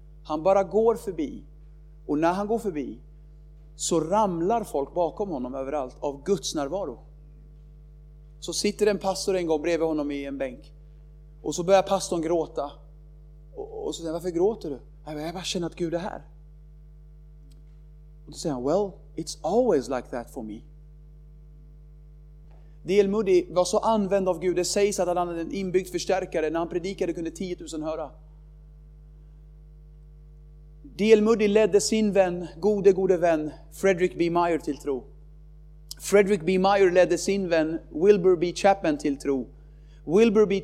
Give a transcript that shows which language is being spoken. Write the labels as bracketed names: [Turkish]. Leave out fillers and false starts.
[Swedish] Han bara går förbi, och när han går förbi så ramlar folk bakom honom överallt av Guds närvaro. Så sitter en pastor en gång bredvid honom i en bänk, och så börjar pastorn gråta. Och så säger han, varför gråter du? Jag bara känner att Gud är här. Och då säger han, [English] well, it's always like that for me. [Swedish] D.L. Moody var så använd av Gud. Det sägs att han hade en inbyggd förstärkare. När han predikade kunde 10 000 höra. D.L. Moody ledde sin vän, gode vän, Frederick B. Meyer till tro. Frederick B. Meyer ledde sin vän Wilbur B. Chapman till tro. Wilbur B.